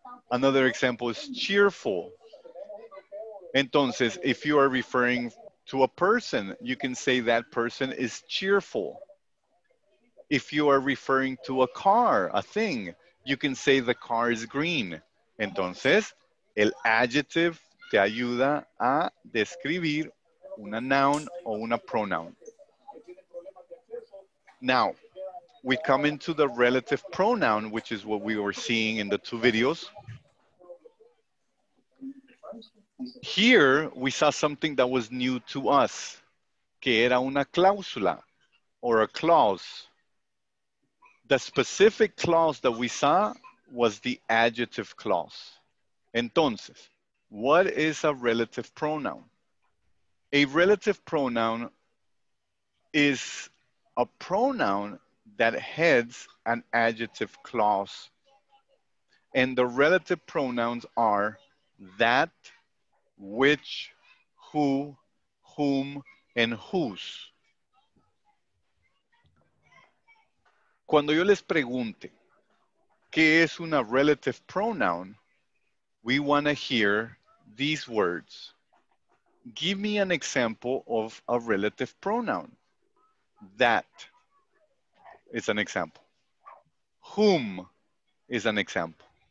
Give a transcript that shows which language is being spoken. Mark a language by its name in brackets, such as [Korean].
[English] Another example is cheerful. [Spanish] Entonces, [English] if you are referring to a person, you can say that person is cheerful. If you are referring to a car, a thing, you can say the car is green. [Spanish] Entonces, el adjective te ayuda a describir una noun o una pronoun. [English] Now, we come into the relative pronoun, which is what we were seeing in the two videos. Here, we saw something that was new to us, [Spanish] que era una cláusula [English] or a clause. The specific clause that we saw was the adjective clause. [Spanish] Entonces, [English] what is a relative pronoun? A relative pronoun is a pronoun that heads an adjective clause. And the relative pronouns are that, which, who, whom, and whose. [Spanish] Cuando yo les pregunte, ¿qué es una relative pronoun? [English] We want to hear these words. Give me an example of a relative pronoun. That is an example. Whom is an example.